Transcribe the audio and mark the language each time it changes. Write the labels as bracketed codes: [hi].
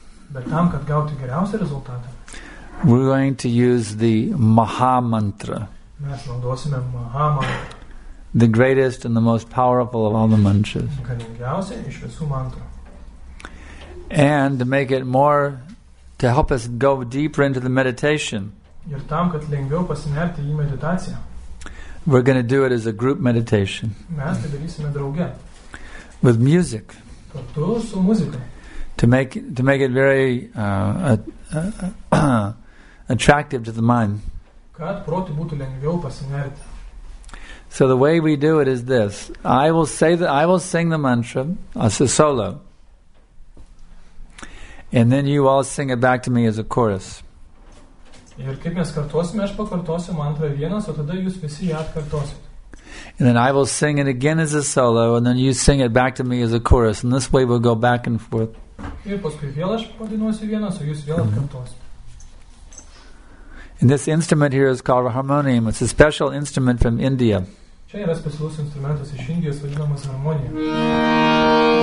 [lt] Bet tam, kad gauti geriausią rezultatą, [en] we're going to use the Maha Mantra. [lt] Mes naudosime Maha Mantra. [en] The greatest and the most powerful of all the mantras. [lt] Galingiausia iš visų mantrų. [en] And to make it more, to help us go deeper into the meditation. [lt] Ir tam, kad lengviau pasinerti į meditaciją. [en] We're going to do it as a group meditation. [lt] Mes tai darysime drauge. [en] With music. [lt] Kartu su muzika. [en] To make it very attractive to the mind. [lt] Kad protui būtų lengviau pasinerti. [en] So the way we do it is this. I will sing the mantra as a solo. And then you all sing it back to me as a chorus. [lt] Ir kaip mes kartuosime, aš pakartosiu mantrą vienas, o tada jūs visi ją atkartosite. [en] And then I will sing it again as a solo, and then you sing it back to me as a chorus. And this way we'll go back and forth. [lt] Ir paskui vėl aš padainuosiu vienas, o jūs vėl atkartosite. [en] And this instrument here is called a harmonium. It's a special instrument from India. [lt] Čia yra specialus instrumentas iš Indijos, vadinamas harmonija.